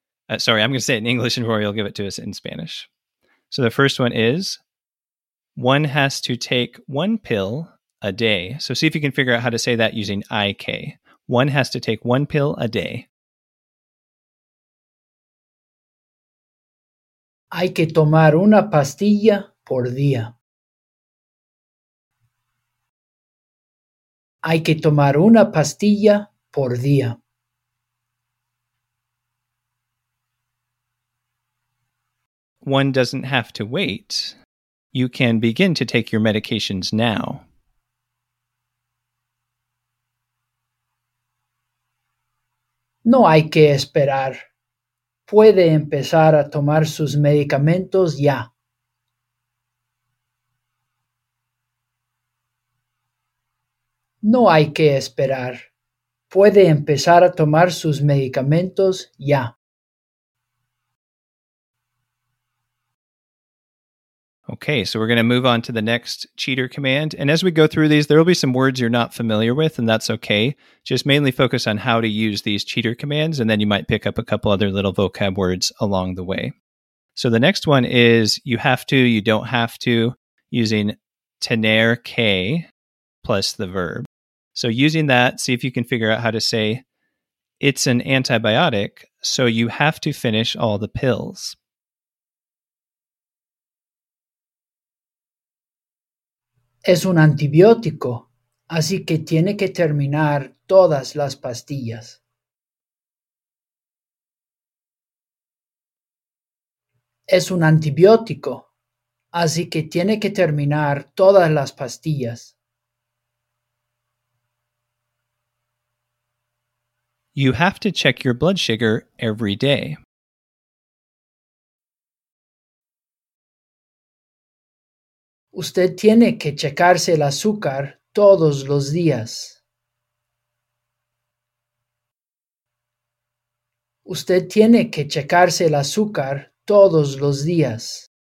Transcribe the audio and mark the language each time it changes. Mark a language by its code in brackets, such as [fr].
[en] I'm going to say it in English, and Rory will give it to us in Spanish. So the first one is... One has to take one pill a day. So see if you can figure out how to say that using IK. One has to take one pill a day. [es] Hay que tomar una pastilla por día. Hay que tomar una pastilla por día. [en] One doesn't have to wait. You can begin to take your medications now. [es] No hay que esperar. Puede empezar a tomar sus medicamentos ya. No hay que esperar. Puede empezar a tomar sus medicamentos ya. [en] Okay, so we're going to move on to the next cheater command. And as we go through these, there will be some words you're not familiar with, and that's okay. Just mainly focus on how to use these cheater commands, and then you might pick up a couple other little vocab words along the way. So the next one is you have to, you don't have to, using tener que plus the verb. So using that, see if you can figure out how to say, it's an antibiotic, so you have to finish all the pills. [es] Es un antibiótico, así que tiene que terminar todas las pastillas. Es un antibiótico, así que tiene que terminar todas las pastillas. [en] You have to check your blood sugar every day. [es] Usted tiene que checarse el azúcar todos los días. Usted tiene que checarse el azúcar todos los días.